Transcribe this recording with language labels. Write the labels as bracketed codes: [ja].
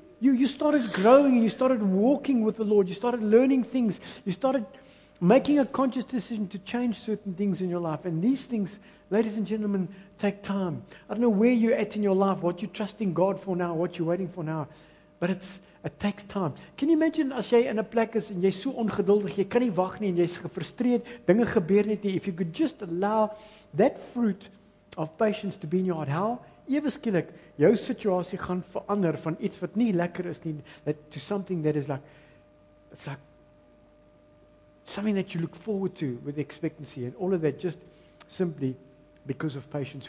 [en] You started growing, and you started walking with the Lord. You started learning things. You started making a conscious decision to change certain things in your life. And these things, ladies and gentlemen, take time. I don't know where you're at in your life, what you're trusting God for now, what you're waiting for now. But it takes time. Can you imagine [af] as jy in 'n plek is en jy's so ongeduldig, jy kan nie wag nie en jy's gefrustreerd, dinge gebeur net nie. [en] If you could just allow that fruit of patience to be in your heart, how [af] ewe skielik jou situasie gaan verander van iets wat nie lekker is nie, [en] to something that is like, it's like, something that you look forward to with expectancy, and all of that just simply because of patience.